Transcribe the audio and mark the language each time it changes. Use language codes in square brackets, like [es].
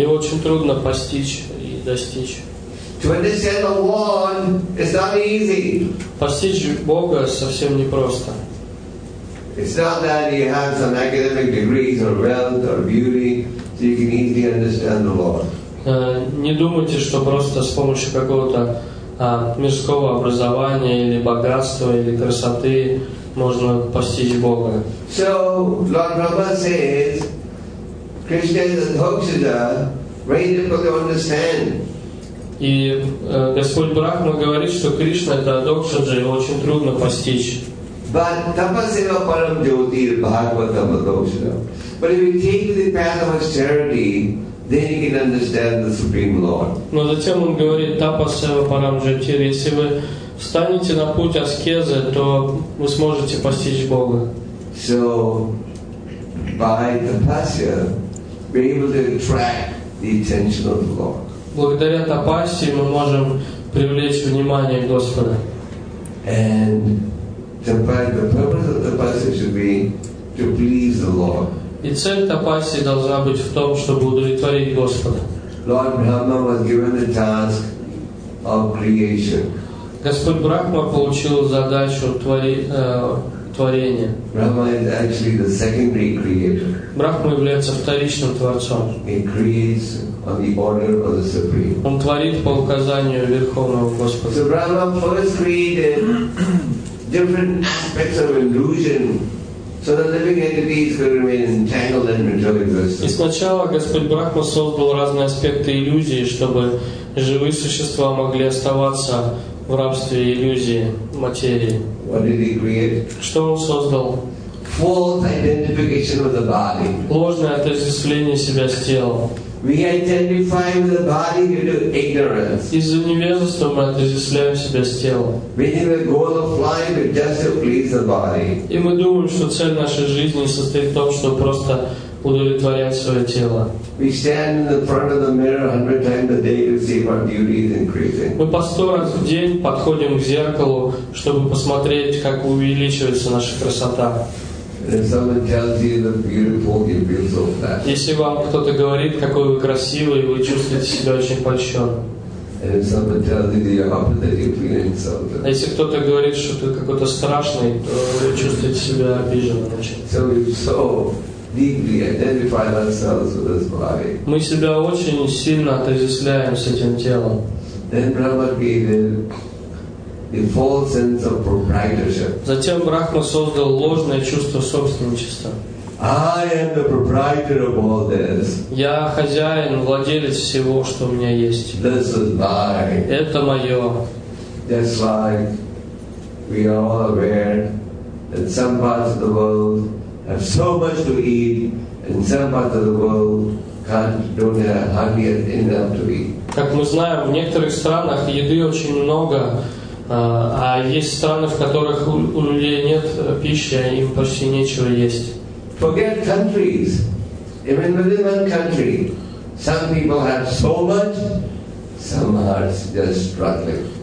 [ru] Его очень трудно постичь и достичь. [en] To understand the Lord is not easy. [ru] Постичь Бога совсем непросто. [en] It's not that you have some academic degrees or wealth or beauty, so you can easily understand the Lord. [ru] Не думайте, что просто с помощью какого-то мирского образования или богатства или красоты можно постичь Бога. [en] So Lord Prabhupada says, Krishna and Bhakshida, very difficult to understand. [ru] И Господь Брахма говорит, что Кришна это Докшаджа, его очень трудно постичь. [sa] But tapasya param jyoti bhagavatam adokshada. [en] But if you take the path of austerity, then you can understand the Supreme Lord. [ru] Но затем он говорит, [sa] тапасева парам джатир, [ru] если вы встанете на путь аскезы, то вы сможете постичь Бога. [en] So by tapasya, we're able to attract the attention of the Lord. [ru] Благодаря тапасе мы можем привлечь внимание Господа. [en] And the purpose of tapasya should be to please the Lord. [ru] И цель тапаси должна быть в том, чтобы удовлетворить Господа. [en] Lord Brahma was given the task of creation. [ru] Господь Брахма получил задачу творения. [en] Brahma is actually the secondary creator. [ru] Брахма является вторичным творцом. [en] He creates on the order of the Supreme. [ru] Он творит по указанию Верховного Господа. [en] So Brahma first created different aspects of illusion. So the living entities could remain entangled in material existence. [ru] И сначала Господь Брахма создал разные аспекты иллюзии, чтобы живые существа могли оставаться в рабстве иллюзии материи. [en] What did he create? [ru] Что он создал? [en] False identification of the body. [ru] Ложное отождествление себя с телом. [en] We identify with the body due to ignorance. [ru] Из-за невежества мы отождествляем себя с телом. [en] We have a goal of life just to please the body. [ru] И мы думаем, что цель нашей жизни состоит в том, чтобы просто удовлетворять свое тело. [en] We stand in the front of the mirror 100 times a day to see if our beauty is increasing. [ru] Мы по 100 раз в день подходим к зеркалу, чтобы посмотреть, как увеличивается наша красота. [en] If someone tells you that beautiful, you feel so fat. [ru] Если вам кто-то говорит, какой вы красивый, вы чувствуете себя очень польщен. [en] And if someone tells you that you're ugly, you feel insulted. [ru] А если кто-то говорит, что ты какой-то страшный, то вы чувствуете себя обиженным очень. [en] So we so deeply identify ourselves with this body. [ru] Мы себя очень сильно отождествляем с этим телом. [en] Then Brahma created the false sense of proprietorship. [ru] Затем Брахма создал ложное чувство собственничества. [en] I am the proprietor of all this. [ru] Я хозяин, владелец всего, что у меня есть. [en] This is mine. [ru] Это мое. [en] That's why we are all aware that some parts of the world have so much to eat, and some parts of the world don't have enough to eat. [ru] Как мы знаем, в некоторых странах еды очень много. А есть страны, в которых у людей нет пищи, а им почти нечего есть. [en] Forget countries. Even within one country, some people have so much, some are just struggling.